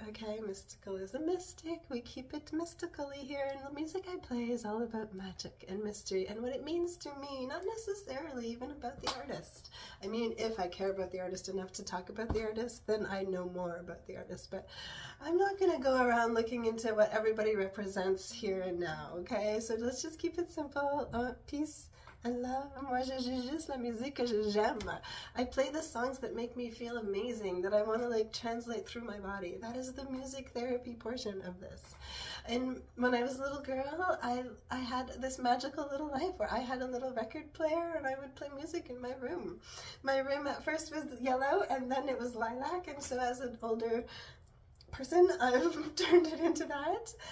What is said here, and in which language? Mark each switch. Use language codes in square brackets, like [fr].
[en] Okay, mystical is a mystic. We keep it mystically here, and the music I play is all about magic and mystery and what it means to me, not necessarily even about the artist. I mean, if I care about the artist enough to talk about the artist, then I know more about the artist. But I'm not gonna go around looking into what everybody represents here and now, okay? So let's just keep it simple. Oh, peace. I love, [fr] moi je joue juste la musique que j'aime. [en] I play the songs that make me feel amazing, that I want to like translate through my body. That is the music therapy portion of this. And when I was a little girl, I had this magical little life where I had a little record player and I would play music in my room. My room at first was yellow and then it was lilac, and so as an older person, I've turned it into that.